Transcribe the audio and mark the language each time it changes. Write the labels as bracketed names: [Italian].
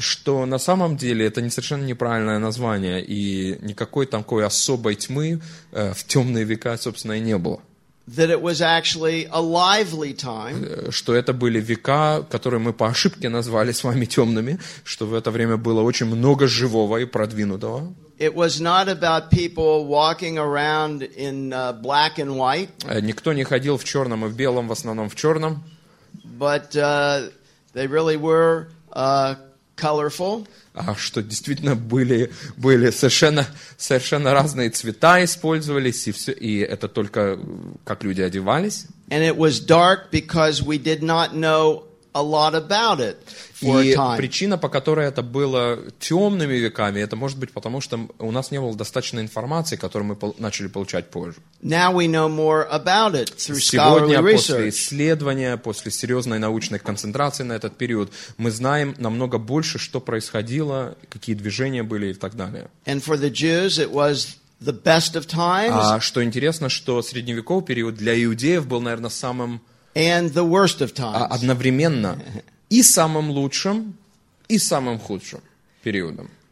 [Russian] Что на самом деле это не совершенно неправильное название и никакой такой особой тьмы в темные века, собственно, и не было. [English] That it was actually a lively time. [Russian] Что это были века, которые мы по ошибке назвали с вами темными, что в это время было очень много живого и продвинутого. [English] It was not about people walking around in black and white. [Russian] Никто не ходил в черном и в белом, в основном в черном. [English] But they really were colorful. [Russian] А что действительно были совершенно разные цвета использовались и все и это только как люди одевались. [English] And it was dark because we did not know a lot about it for a time. [Russian] И причина, по которой это было темными веками, это может быть потому, что у нас не было достаточно информации, которую мы начали получать позже. [English] Now we know more about it through scholarly research. [Russian] Сегодня после исследования, после серьезной научной концентрации на этот период, мы знаем намного больше, что происходило, какие движения были и так далее. [English] And for the Jews, it was the best of times. [Russian] А что интересно, что средневековый период для иудеев был, наверное, самым [English] And the worst of times. [Russian] Одновременно и самым лучшим, и самым худшим периодом.